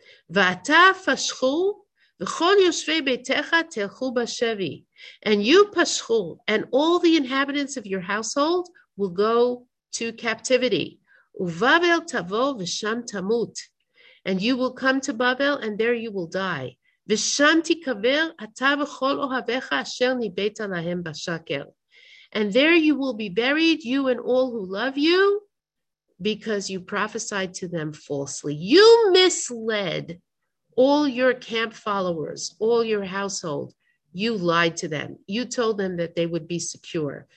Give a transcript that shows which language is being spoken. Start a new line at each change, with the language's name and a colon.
Hebrew: ואתה פשחו, וכל יושבי ביתך תלכו בשבי,
English: and you פשחו, and all the inhabitants of your household will go to captivity.
Hebrew: ובבל תבוא ושם תמות,
English: and you will come to בבל, and there you will die.
Hebrew: ושם תקבר אתה וכל אוהביך אשר ניבאת להם בשקר.
English: And there you will be buried, you and all who love you, because you prophesied to them falsely. You misled all your camp followers, all your household. You lied to them. You told them that they would be secure.